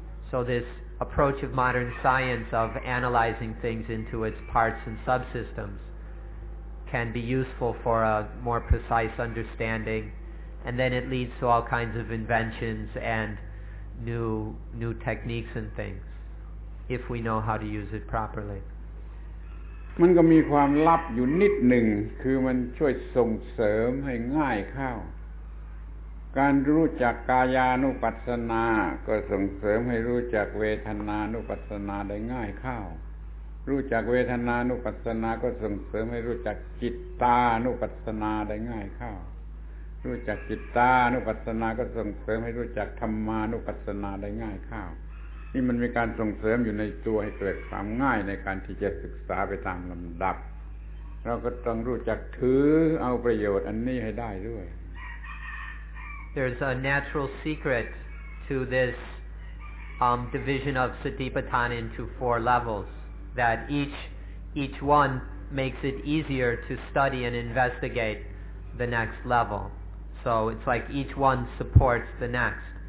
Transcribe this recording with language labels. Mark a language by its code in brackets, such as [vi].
[en] So this approach of modern science of analyzing things into its parts and subsystems can be useful for a more precise understanding, and then it leads to all kinds of inventions and new techniques and things, if we know how to use it properly. [th] มันก็มีความลับอยู่นิดหนึ่งคือมันช่วยส่งเสริมให้ง่ายเข้าการรู้จักกายานุปัสสนาก็ส่งเสริมให้รู้จักเวทนานุปัสสนาได้ง่ายเข้ารู้จักเวทนานุปัสสนาก็ส่งเสริมให้รู้จักจิตตานุปัสสนาได้ง่ายเข้า รู้จักจิตตานุปัสสนาก็ส่งเสริมให้รู้จักธรรมานุปัสสนาได้ง่ายเข้านี่มันมีการส่งเสริมอยู่ในตัวให้เกิดความง่ายในการที่จะศึกษาไปตามลำดับเราก็ต้องรู้จักถือเอาประโยชน์อันนี้ให้ได้ด้วย [en] There's a natural secret to this division of Satipatthana into four levels, that each one makes it easier to study and investigate the next level. So it's like each one supports the next.